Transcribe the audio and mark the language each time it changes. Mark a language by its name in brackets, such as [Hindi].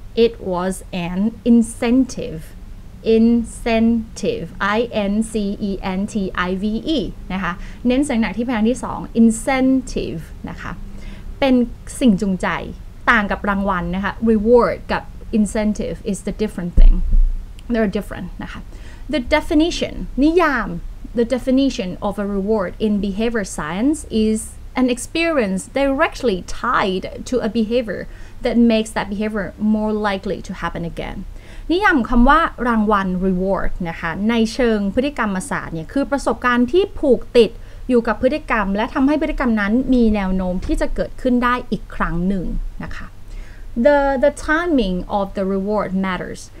[English] It was an incentive. Incentive. I-N-C-E-N-T-I-V-E. [Thai] นะคะเน้นเสียงหนักที่แผ่นที่สอง Incentive. นะคะเป็นสิ่งจูงใจต่างกับรางวัลนะคะ Reward กับ [English] incentive is the different thing. They're different. [Thai] นะคะ [English] The definition. [Thai] นิยาม [English] The definition of a reward in behavior science isan experience directly tied to a behavior that makes that behavior more likely to happen again. [Thai] นิยามคำว่ารางวัล reward นะคะในเชิงพฤติกรรมศาสตร์เนี่ยคือประสบการณ์ที่ผูกติดอยู่กับพฤติกรรมและทำให้พฤติกรรมนั้นมีแนวโน้มที่จะเกิดขึ้นได้อีกครั้งหนึ่งนะคะ [English] The timing of the reward matters.